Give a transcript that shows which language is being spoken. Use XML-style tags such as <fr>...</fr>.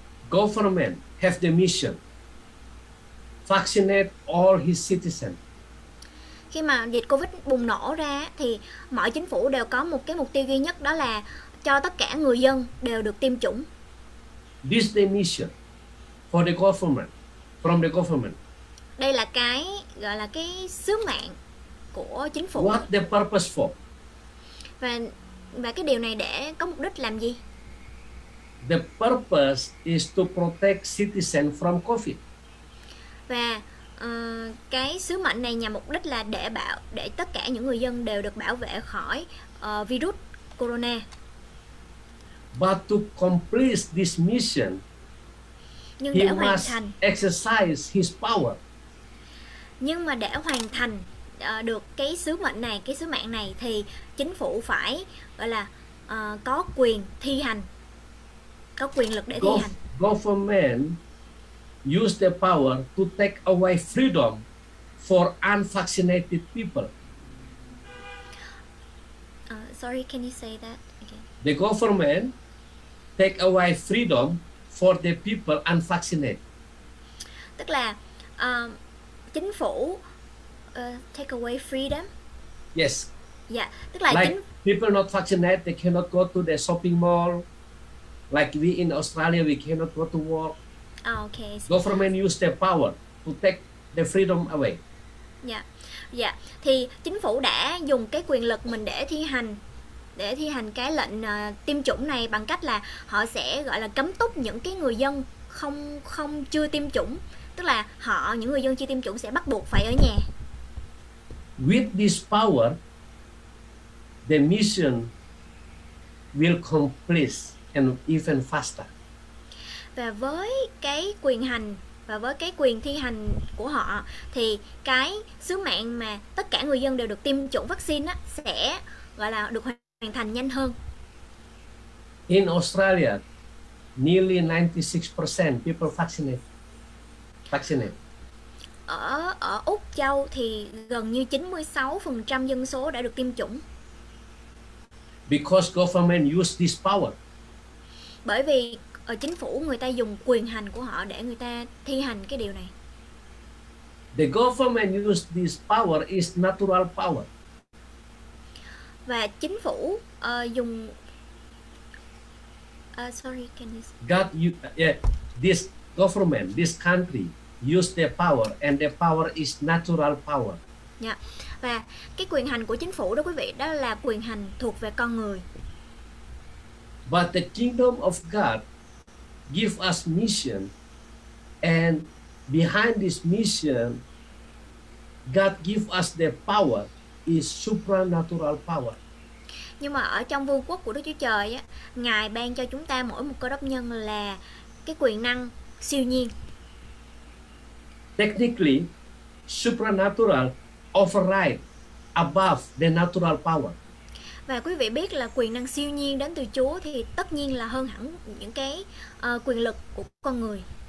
<en>Government have the mission. Vaccinate all his citizens.</en> <vi>Khi mà dịch COVID bùng nổ ra thì mọi chính phủ đều có một cái mục tiêu duy nhất, đó là cho tất cả người dân đều được tiêm chủng.</vi> <en>This is the mission for the government, from the government.</en> <vi>Đây là cái gọi là cái sứ mạng của chính phủ.</vi> <en>What the purpose for?</en> <vi>Và cái điều này để có mục đích làm gì?</vi> <en>The purpose is to protect citizens from COVID.</en> <vi>Và cái sứ mệnh này nhằm mục đích là để tất cả những người dân đều được bảo vệ khỏi virus corona.</vi> <en>But to complete this mission,</en> <vi>nhưng để hoàn thành,</vi> <en>exercise his power.</en> <vi>Nhưng mà để hoàn thành được cái sứ mệnh này, cái sứ mạng này, thì chính phủ phải gọi là có quyền thi hành, có quyền lực để thi hành.</vi> <en>Government use the power to take away freedom for unvaccinated people. Sorry, can you say that again? The government take away freedom for the people unvaccinated.</en> <vi>Tức là chính phủ</vi> <en>take away freedom. Yes. Yeah.</en> <vi>Tức là</vi> <en>like people not vaccinated, they cannot go to the shopping mall. Like we in Australia, we cannot go to work. Okay. Government use their power to take the freedom away. Yeah. Yeah.</en> <vi>Thì chính phủ đã dùng cái quyền lực mình để thi hành cái lệnh tiêm chủng này bằng cách là họ sẽ gọi là cấm túc những cái người dân không chưa tiêm chủng. Tức là những người dân chưa tiêm chủng sẽ bắt buộc phải ở nhà.</vi> <en>With this power, the mission will complete and even faster.</en> <vi>Và với cái quyền hành và với cái quyền thi hành của họ thì cái sứ mạng mà tất cả người dân đều được tiêm chủng vaccine á sẽ gọi là được hoàn thành nhanh hơn.</vi> <en>In Australia, nearly 96% people vaccinated.</en> <vi>Ở Úc Châu thì gần như 96% dân số đã được tiêm chủng.</vi> <en>Because government use this power.</en> <vi>Bởi vì ở chính phủ người ta dùng quyền hành của họ để người ta thi hành cái điều này.</vi> <en>The government use this power is natural power.</en> <vi>Và chính phủ dùng</vi> <en>sorry, can you say? God, this government, this country use their power and their power is natural power. Yeah.</en> <vi>Và cái quyền hành của chính phủ đó quý vị, đó là quyền hành thuộc về con người.</vi> <en>But the kingdom of God give us mission, and behind this mission God give us the power is supernatural power.</en> <vi>Nhưng mà ở trong vương quốc của Đức Chúa Trời á, Ngài ban cho chúng ta mỗi một cơ đốc nhân là cái quyền năng siêu nhiên.</vi> <en>Technically, supernatural override above the natural power.</en> <vi>Và quý vị biết là quyền năng siêu nhiên đến từ Chúa thì tất nhiên là hơn hẳn những cái quyền lực của con người.</vi>